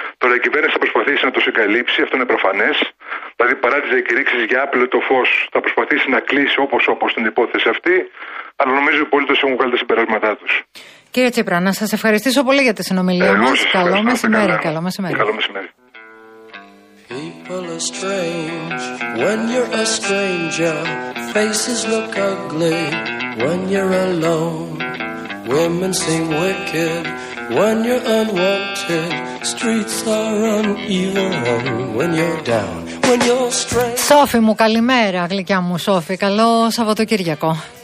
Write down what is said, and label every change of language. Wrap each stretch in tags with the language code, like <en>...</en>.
<el>Τώρα η κυβέρνηση θα προσπαθήσει να το συγκαλύψει, αυτό είναι προφανές. Δηλαδή παρά τις διακηρύξεις για άπλο το φως, θα προσπαθήσει να κλείσει όπως την υπόθεση αυτή. Αλλά νομίζω ότι πολίτες έχουν βγάλει τα συμπεράσματά τους. Κύριε Τσίπρα, να σας ευχαριστήσω πολύ για τη συνομιλία μας. Καλό μεσημέρι. Καλό μεσημέρι. Καλό μεσημέρι.</el> <en>People are strange when you're a stranger. Faces look ugly when you're alone. Women seem wicked when you're unwanted. Streets are uneven when you're down. When you're strange.</en> <el>Σόφη μου, καλημέρα, γλυκιά μου Σόφη. Καλό Σαββατοκύριακο.</el>